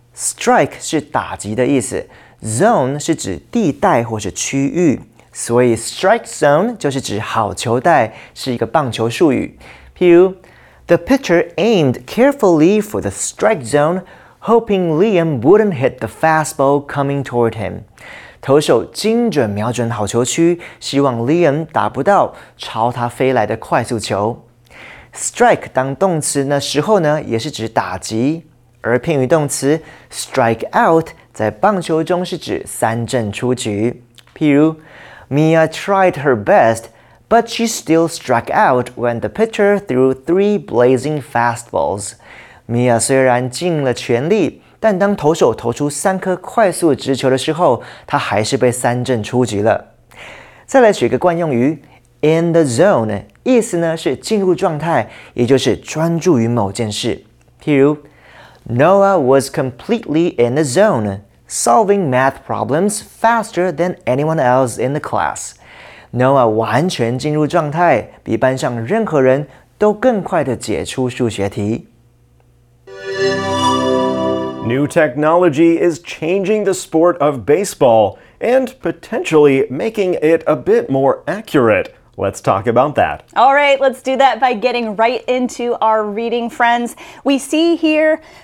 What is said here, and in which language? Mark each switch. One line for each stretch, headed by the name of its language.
Chinese: Strike 是打击的意思， zone 是指地带或是区域。所以 strike zone 就是指好球带，是一个棒球术语。
English: 譬如 The pitcher aimed carefully for the strike zone, hoping Liam wouldn't hit the fastball coming toward him.
Chinese: 投手精准瞄准好球区，希望 Liam 打不到朝他飞来的快速球。 Strike 当动词的时候呢，也是指打击，而偏于动词 strike out 在棒球中是指三振出局。
English: 譬如Mia tried her best, but she still struck out when the pitcher threw three blazing fastballs.
Chinese: Mia 虽然尽了全力，但当投手投出三颗快速直球的时候，她还是被三振出局了。再来举个惯用语 ,in the zone, 意思呢是进入状态，也就是专注于某件事。
English: 譬如 ,Noah was completely in the zone. Solving math problems faster than anyone else in the class.
Chinese: Noah 完全进入状态，比班上任何人都更快地解出数学题。
English: New technology is changing the sport of baseball and potentially making it a bit more accurate. Let's talk about that. All right, let's do that by getting right into our reading, friends. We see here...